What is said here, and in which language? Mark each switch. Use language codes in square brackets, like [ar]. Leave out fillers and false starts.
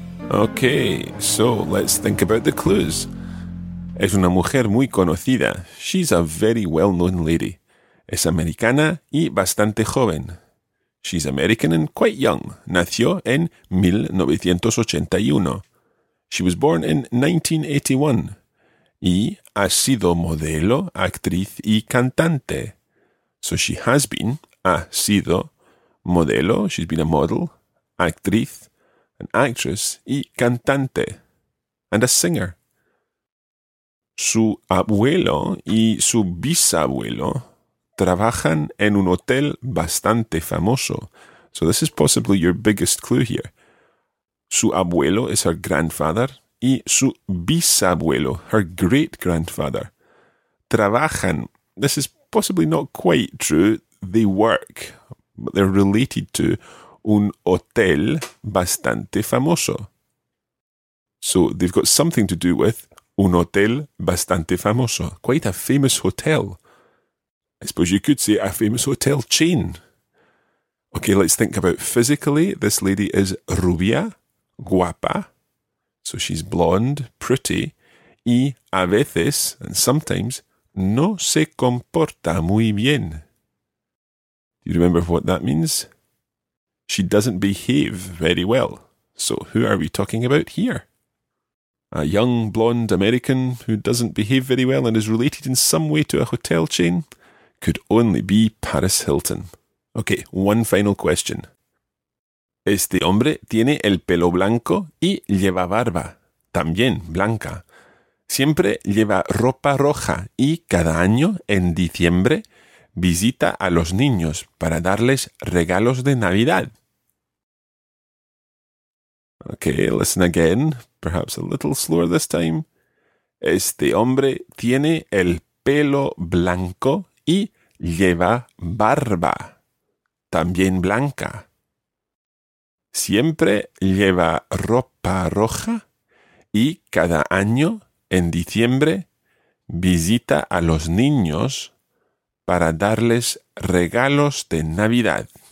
[en] Okay, so let's think about the clues. [es] Es una mujer muy conocida. [en] She's a very well-known lady. [es] Es americana y bastante joven. [en] She's American and quite young. [es] Nació en 1981. [en] She was born in 1981. [es] Y ha sido modelo, actriz y cantante. [en] So she has been, [es] ha sido modelo, [en] she's been a model, actriz, an actress [es] y cantante, [en] and a singer. [es] Su abuelo y su bisabuelo trabajan en un hotel bastante famoso. [en] So this is possibly your biggest clue here. [es] Su abuelo [en] is her grandfather. [es] Y su bisabuelo, [en] her great-grandfather, [es] trabajan. [en] This is possibly not quite true. They work, but they're related to [es] un hotel bastante famoso. [en] So they've got something to do with [es] un hotel bastante famoso. [en] Quite a famous hotel. I suppose you could say a famous hotel chain. Okay, let's think about physically. This lady is rubia, guapa. So she's blonde, pretty, [es] y a veces, [en] and sometimes, [es] no se comporta muy bien. [en] Do you remember what that means? She doesn't behave very well. So who are we talking about here? A young, blonde American who doesn't behave very well and is related in some way to a hotel chain could only be Paris Hilton. Okay, one final question. [es] Este hombre tiene el pelo blanco y lleva barba, también blanca. Siempre lleva ropa roja y cada año, en diciembre, visita a los niños para darles regalos de Navidad. [en] Okay, listen again, perhaps a little slower this time. [es] Este hombre tiene el pelo blanco y lleva barba, también blanca. siempre lleva ropa roja y cada año, en diciembre, visita a los niños para darles regalos de Navidad.